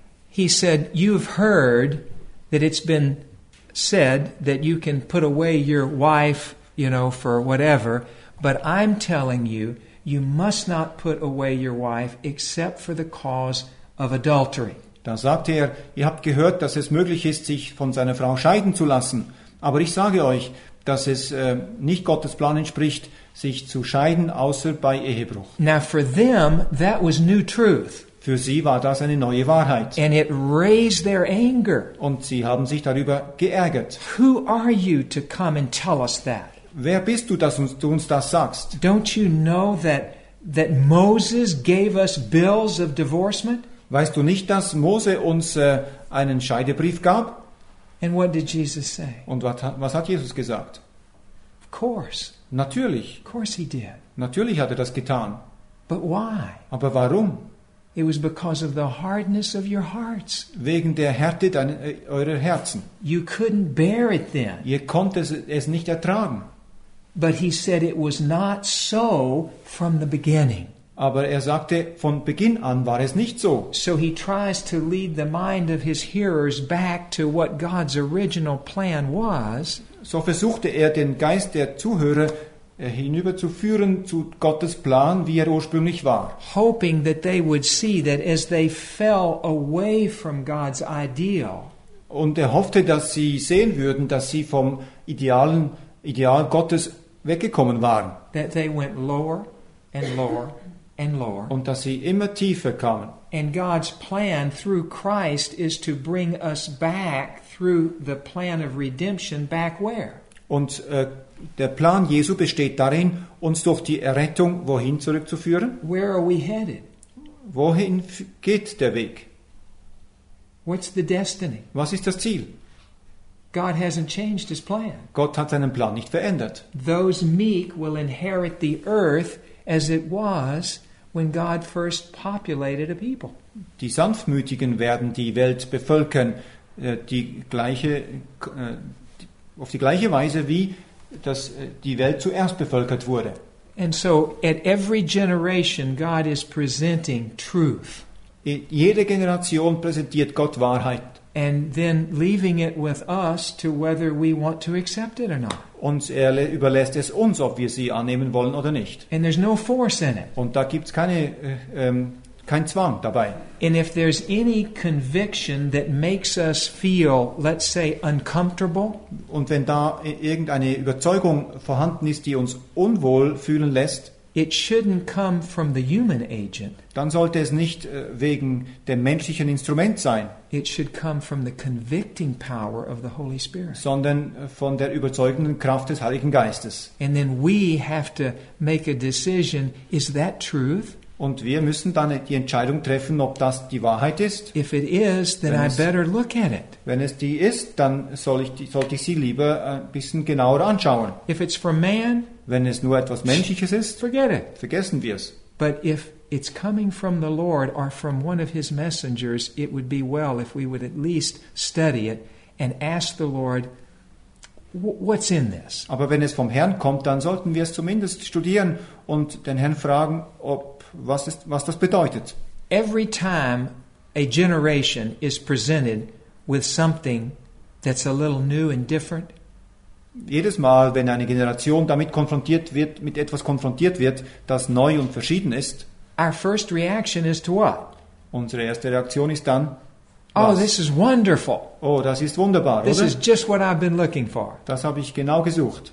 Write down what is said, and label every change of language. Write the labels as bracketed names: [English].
[English] he said, "You've heard that it's been said that you can put away your wife, you know, for whatever, but I'm telling you, you must not put away your wife except for the cause of adultery." [German] Da sagte er, ihr habt gehört, dass es möglich ist, sich von seiner Frau scheiden zu lassen. Aber ich sage euch, dass es nicht Gottes Plan entspricht, sich zu scheiden, außer bei Ehebruch. [English] Now for them, that was new truth. [German] Für sie war das eine neue Wahrheit. [English] And it raised their anger. [German] Und sie haben sich darüber geärgert. [English] Who are you to come and tell us that? [German] Wer bist du, dass du uns das sagst? [English] Don't you know that Moses gave us bills of divorcement? [German] Weißt du nicht, dass Mose uns einen Scheidebrief gab? [English] And what did Jesus say? [German] Und was hat Jesus gesagt? [English] Of course. [German] Natürlich. [English] Of course he did. [German] Natürlich hat das getan. [English] But why? [German] Aber warum? [English] It was because of the hardness of your hearts. [German] Wegen der Härte eurer Herzen. [English] You couldn't bear it then. [German] Ihr konntet es nicht ertragen. [English] But he said it was not so from the beginning. [German] Aber sagte, von Beginn an war es nicht so. [English] So he tries to lead the mind of his hearers back to what God's original plan was. [German] So versuchte den Geist der Zuhörer hinüberzuführen zu Gottes Plan, wie ursprünglich war. [English] Hoping that they would see that as they fell away from God's ideal. [German] Und hoffte, dass sie sehen würden, dass sie vom Ideal Gottes weggekommen waren. [English] That they went lower and lower and lower. [German] Und dass sie immer tiefer kamen. [English] And God's plan through Christ is to bring us back through the plan of redemption back where? [German] Und der Plan Jesu besteht darin, uns durch die Errettung wohin zurückzuführen? [English] Where are we headed? [German] Wohin geht der Weg? [English] What's the destiny? [German] Was ist das Ziel? [English] God hasn't changed his plan. [German] Gott hat seinen Plan nicht verändert. [English] Those meek will inherit the earth as it was when God first populated a people. [German] Die Sanftmütigen werden die Welt bevölkern, auf die gleiche Weise, wie dass die Welt zuerst bevölkert wurde. [English] And so at every generation God is presenting truth. [German] Jede Generation präsentiert Gott Wahrheit. [English] And then leaving it with us to whether we want to accept it or not. [German] Und überlässt es uns, ob wir sie annehmen wollen oder nicht. [English] And there's no force in it. [German] Und da gibt's kein Zwang dabei. [English] And if there's any conviction that makes us feel, let's say, uncomfortable, [German] und wenn da irgendeine Überzeugung vorhanden ist, die uns unwohl fühlen lässt, [English] it shouldn't come from the human agent. [German] Dann sollte es nicht wegen dem menschlichen Instrument sein. [English] It should come from the convicting power of the Holy Spirit. [German] Sondern von der überzeugenden Kraft des Heiligen Geistes. [English] And then we have to make a decision, is that truth? [German] Und wir müssen dann die Entscheidung treffen, ob das die Wahrheit ist. [English] If it is, then I better look at it. [German] Wenn es die ist, dann sollte ich sie lieber ein bisschen genauer anschauen. [English] If it's for man, [German] wenn es nur etwas Menschliches ist, [English] forget it. [German] Vergessen wir es. [English] But if it's coming from the Lord or from one of his messengers, it would be well if we would at least study it and ask the Lord, what's in this? [German] Aber wenn es vom Herrn kommt, dann sollten wir es zumindest studieren und den Herrn fragen, ob was das bedeutet. [English] Every time a generation is presented with something that's a little new and different, [German] jedes Mal, wenn eine Generation damit konfrontiert wird, mit etwas konfrontiert wird, das neu und verschieden ist, [English] our first reaction is to what? [German] Unsere erste Reaktion ist dann, [English] was? Oh, this is wonderful. [German] Oh, das ist wunderbar, [English] this [German] oder? [English] Is just what I've been looking for. [German] Das habe ich genau gesucht.